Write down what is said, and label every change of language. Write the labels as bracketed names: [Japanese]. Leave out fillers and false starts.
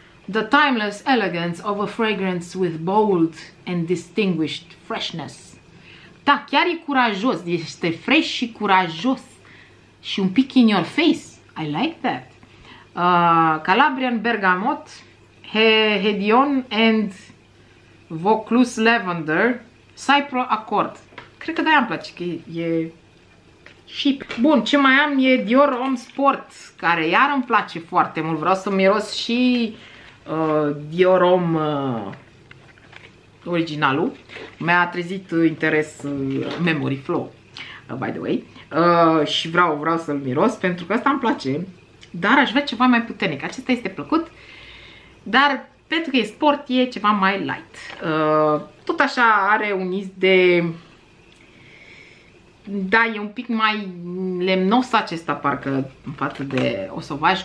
[English] The timeless elegance of a fragrance with bold and distinguished freshness. [Romanian] Da, chiar e curajos, este fresh și curajos. Și un pic [English] in your face. I like that. Calabrian bergamot, Hedion and Vaucluse lavender, Cypress accord. [Romanian] Cred că de-aia îmi place, că e sheep. Bun, ce mai am e Dior Homme Sport, care iar îmi place foarte mult. Vreau să miros și Dior Homme originalul. Mi-a trezit interes Memory Flow, [English] by the way. [Romanian] Și vreau să-l miros, pentru că ăsta îmi place, dar aș vrea ceva mai puternic. Acesta este plăcut, dar pentru că e sport, e ceva mai light. Tot așa are un iz de... Da, e un pic mai lemnos acesta, parcă, în față de Eau Sauvage.